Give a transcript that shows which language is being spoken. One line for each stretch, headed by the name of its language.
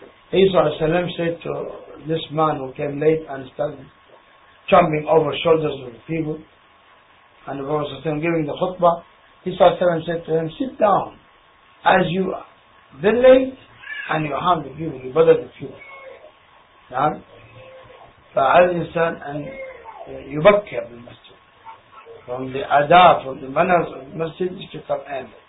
English: He
Arabic: صلى الله عليه وسلم
English: said to this man who came late and started jumping over shoulders of the people and the Prophet giving the khutbah, he صلى الله عليه وسلم said to him, sit down as you are, then late, and you harm the people, you bother the people.
Arabic: نعم فعلى الإنسان أن يبكر بالمسجد.
English: From the adab, from the manners of the masjid is to come in.